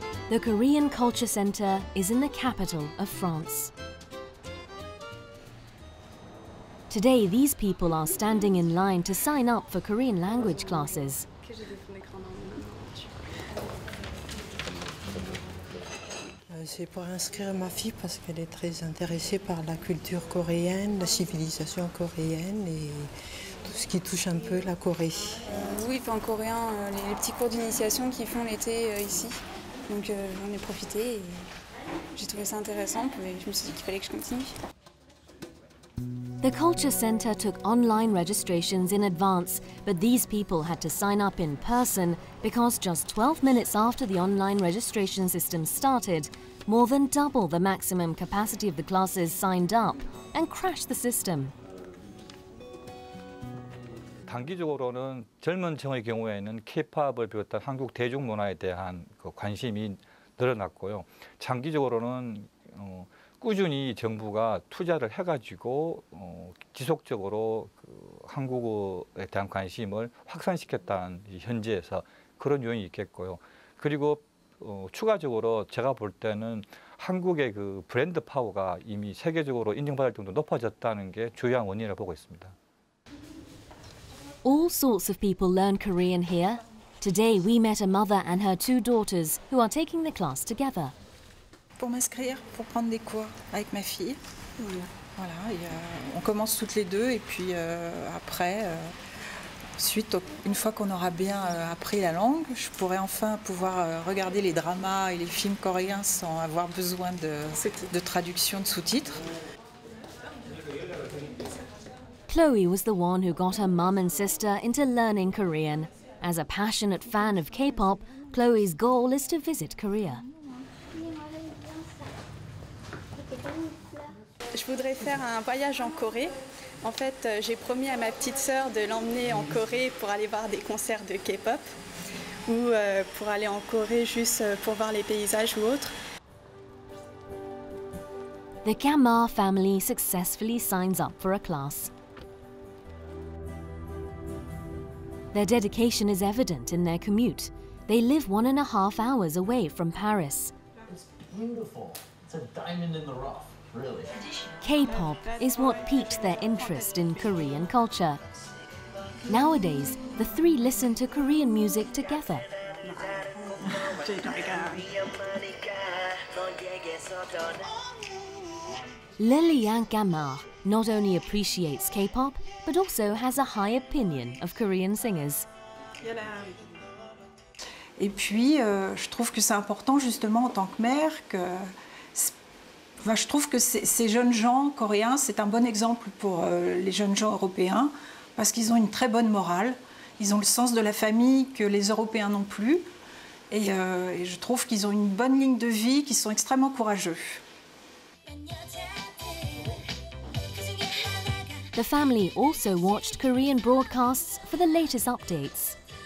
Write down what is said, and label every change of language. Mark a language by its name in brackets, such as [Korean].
[English] The Korean Culture Center is in the capital of France. Today, these people are standing in line to sign up for Korean language classes. [French] C'est pour inscrire ma fille parce qu'elle est très intéressée par la culture coréenne, la civilisation coréenne et tout ce qui touche un peu la Corée. Oui, en coréen, les petits cours d'initiation qu'ils font l'été ici. Donc j'en ai profité et j'ai trouvé ça intéressant et je me suis dit qu'il fallait que je continue. [English] The Culture Center took online registrations in advance, but these people had to sign up in person because just 12 minutes after the online registration system started, more than double the maximum capacity of the classes signed up and crashed the system. [Korean] 단기적으로는 젊은 층의 경우에는 K-POP을 비롯한 한국 대중문화에 대한 그 관심이 늘어났고요. 장기적으로는 꾸준히 정부가 투자를 해가지고 지속적으로 그 한국어에 대한 관심을 확산시켰다는 현재에서 그런 요인이 있겠고요. 그리고 추가적으로 제가 볼 때는 한국의 그 브랜드 파워가 이미 세계적으로 인정받을 정도 높아졌다는 게 주요한 원인이라고 보고 있습니다. [English] All sorts of people learn Korean here. Today we met a mother and her two daughters who are taking the class together. [French] Pour m'inscrire, pour prendre des cours avec ma fille. Oui. Voilà, on commence toutes les deux et puis après, suite, une fois qu'on aura bien appris la langue, je pourrai enfin pouvoir regarder les dramas et les films coréens sans avoir besoin de traduction de sous-titres. [English] Chloe was the one who got her mom and sister into learning Korean. As a passionate fan of K-pop, Chloe's goal is to visit Korea. [French] Je voudrais faire un voyage en Corée. En fait, j'ai promis à ma petite sœur de l'emmener en Corée pour aller voir des concerts de K-pop ou pour aller en Corée juste pour voir les paysages ou autre. [English] The Kamar family successfully signs up for a class. Their dedication is evident in their commute. They live 1.5 hours away from Paris. It's beautiful. It's a diamond in the rough. K-pop is what piqued their interest in Korean culture. Nowadays, the three listen to Korean music together. Lily Yang Gamar not only appreciates K-pop, but also has a high opinion of Korean singers. [French] Et puis, je trouve que c'est important justement en tant que mère que Ben, je trouve que ces jeunes gens coréens, c'est un bon exemple pour les jeunes gens européens parce qu'ils ont une très bonne morale, ils ont le sens de la famille que les Européens n'ont plus et je trouve qu'ils ont une bonne ligne de vie, qu'ils sont extrêmement courageux. [English] The family also watched Korean broadcasts for the latest updates.